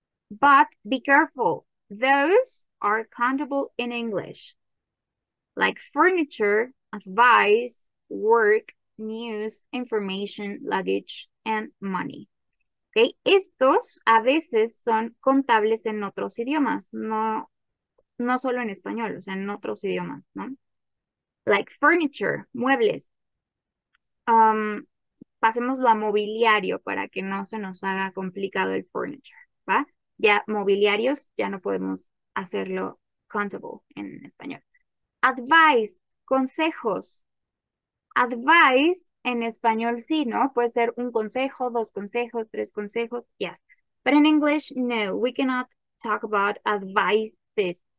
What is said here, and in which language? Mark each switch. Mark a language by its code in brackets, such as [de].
[en] But be careful, those are countable in English, like furniture, advice, work, news, information, luggage, and money. Okay. [es] Estos a veces son contables en otros idiomas, no solo en español, o sea, en otros idiomas, ¿no? [en] Like furniture, [es] muebles. Pasémoslo a mobiliario para que no se nos haga complicado el furniture, ¿va? Ya mobiliarios, ya no podemos hacerlo countable en español. Advice, consejos. Advice en español sí, ¿no? Puede ser un consejo, dos consejos, tres consejos, yes. [en] But in English, no, we cannot talk about advices.